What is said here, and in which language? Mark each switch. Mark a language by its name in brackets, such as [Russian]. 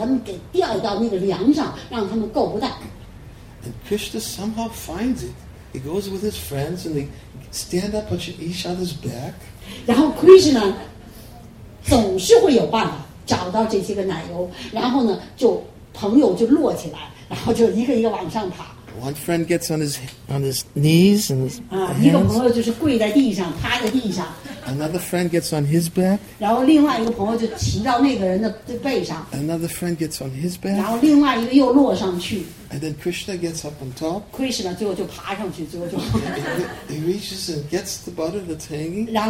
[Chinese] 所以有的时候他们不得不把那些个奶油就把它放到那个黑暗的屋子里头，而且把它们给吊到那个梁上，让他们够不到。 [English] And Krishna somehow finds it. He goes with his friends and they stand up on each other's back. [Chinese] 然后 Krishna 总是会有办法找到这些个奶油，然后呢，就朋友就摞起来，然后就一个一个往上爬。 [English] One friend gets on his knees and his hands. [Chinese] 一个朋友就是跪在地上，趴在地上。 [English] Another friend gets on his back. [Chinese] 然后另外一个朋友就骑到那个人的背上。 [English] Another friend gets on his back. [Chinese] 然后另外一个又落上去。 [English] And then Krishna gets up on top. [Chinese] Krishna 最后就爬上去，最后就。 [English] He reaches and gets the butter that's hanging.